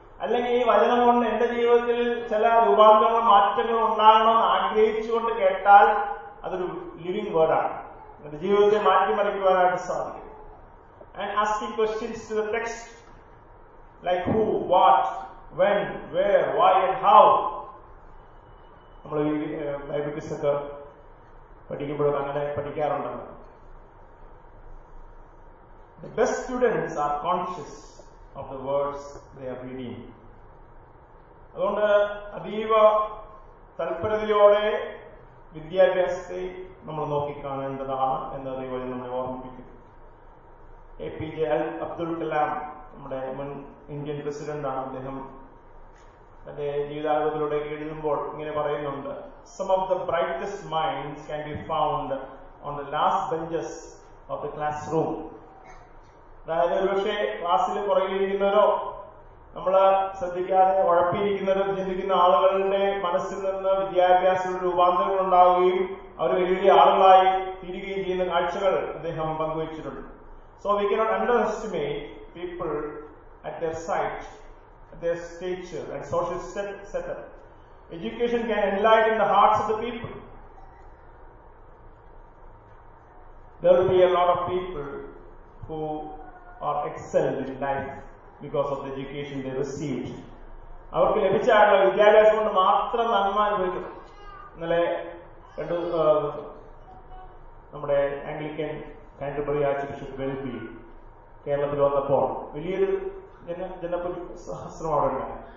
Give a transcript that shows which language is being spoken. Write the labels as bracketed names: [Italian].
[Malayalam] അല്ലെങ്കിൽ ഈ വചനം കൊണ്ട് എന്റെ ജീവിതത്തിൽ ചില രൂപാന്തരങ്ങളും മാറ്റങ്ങളും ഉണ്ടാകണമെന്ന് ആഗ്രഹിച്ചുകൊണ്ട് കേട്ടാൽ അതൊരു ലിവിംഗ് വേർഡാണ്, എന്റെ ജീവിതത്തെ മാറ്റിമറിക്കുവാനായിട്ട് സാധിക്കും. [English] Asking questions to the text like who, what, when, where, why and how. [Malayalam] നമ്മൾ ഈ ബൈബിൾ ക്വിസ് ഒക്കെ പഠിക്കുമ്പോഴും അങ്ങനെ പഠിക്കാറുണ്ടല്ലോ. [English] The best students are conscious of the words they are reading. [Malayalam] അതുകൊണ്ട് അതീവ തൽപരതയോടെ വിദ്യാഭ്യാസത്തെ നമ്മൾ നോക്കിക്കാണേണ്ടതാണ് എന്ന് അതേപോലെ നമ്മളെ ഓർമ്മിപ്പിക്കും. APJ അബ്ദുൽ കലാം, നമ്മുടെ മുൻ ഇന്ത്യൻ പ്രസിഡന്റാണ്, അദ്ദേഹം തന്റെ ജീവിതാനുഭവത്തിലൂടെ എഴുതുമ്പോൾ ഇങ്ങനെ പറയുന്നുണ്ട്, [English] Some of the brightest minds can be found on the last benches of the classroom. [Malayalam] അതായത് ഒരുപക്ഷെ ക്ലാസ്സിൽ പുറകിലിരിക്കുന്നവരോ നമ്മള് ശ്രദ്ധിക്കാതെ ഉഴപ്പിയിരിക്കുന്നവരോ ചിന്തിക്കുന്ന ആളുകളുടെ മനസ്സിൽ നിന്ന് വിദ്യാഭ്യാസ രൂപാന്തരങ്ങൾ ഉണ്ടാവുകയും അവർ വലിയ ആളുകളായി തീരുകയും ചെയ്യുന്ന കാഴ്ചകൾ അദ്ദേഹം പങ്കുവച്ചിട്ടുണ്ട്. [English] So we cannot underestimate people at their site, at their stature and social setup. Education can enlighten the hearts of the people. There will be a lot of people who are excelled in life because of the education they received. [Malayalam] അവർക്ക് ലഭിച്ച വിദ്യാഭ്യാസം കൊണ്ട് മാത്രം നന്മ അനുഭവിക്കും. ഇന്നലെ രണ്ടു നമ്മുടെ ആംഗ്ലിക്കൻ കാൻറ്റർബറി ആർച്ച്ബിഷപ്പ് വെൽബി കേരളത്തിൽ വന്നപ്പോൾ വലിയൊരു ജനപ്രതി സഹസ്രം അവിടെ ഉണ്ടായി.